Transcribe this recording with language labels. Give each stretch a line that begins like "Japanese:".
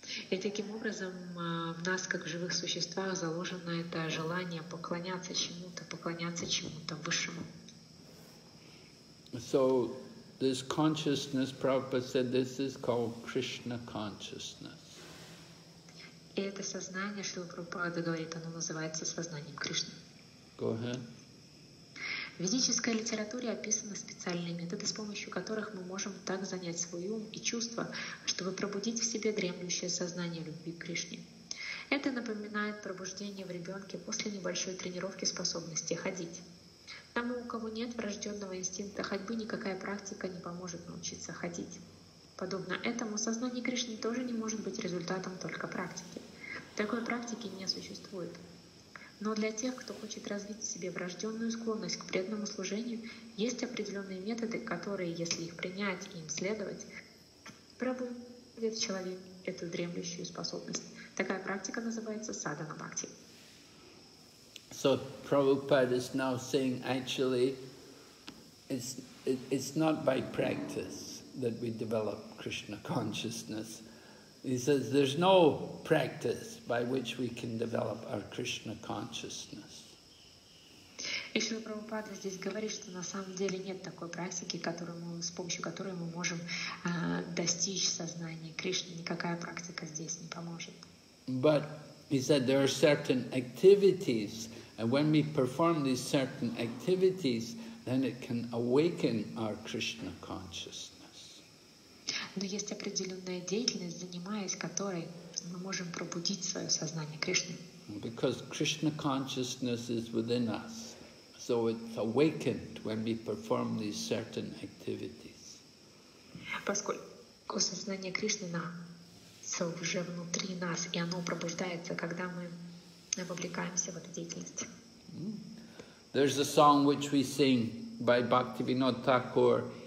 Russian: И таким образом в нас, как в живых существах, заложено это желание поклоняться чему-то высшему.
English: So this consciousness, Prabhupada said, this is called Krishna consciousness.
Russian: И это сознание, что Прабхупада говорит, оно называется сознанием Кришны.
English: Go ahead.
Russian: В ведической литературе описаны специальные методы, с помощью которых мы можем так занять свой ум и чувства, чтобы пробудить в себе дремлющее сознание любви к Кришне. Это напоминает пробуждение в ребенке после небольшой тренировки способности ходить. Тому, у кого нет врожденного инстинкта ходьбы, никакая практика не поможет научиться ходить. Подобно этому, сознание Кришны тоже не может быть результатом только практики. Такой практики не существует. Но для тех, кто хочет развить в себе врожденную склонность к преданному служению, есть определенные методы, которые, если их принять и им следовать, пробудят в человеке эту дремлющую способность. Такая практика называется садхана бхакти.
English: So Prabhupada is now saying, actually, it's not by practice that we develop Krishna consciousness. He says, there's no practice by which we can develop our Krishna consciousness.
Russian: И Шрила Прабхупада здесь говорит, что на самом деле нет такой практики, с помощью которой мы можем достичь сознания Кришны. Никакая практика здесь не поможет.
English: But he said, there are certain activities And when we perform these certain activities, then it can awaken our Krishna consciousness.
Russian: Но есть определенная деятельность, занимаясь которой, мы можем пробудить свое сознание Кришны.
English: Because Krishna consciousness is within us, so it's awakened when we perform these certain activities.
Russian: Поскольку сознание Кришны уже внутри нас, и оно пробуждается, когда мы вовлекаемся в эту деятельность.
English: There's a song which we sing by Bhaktivinoda Thakur.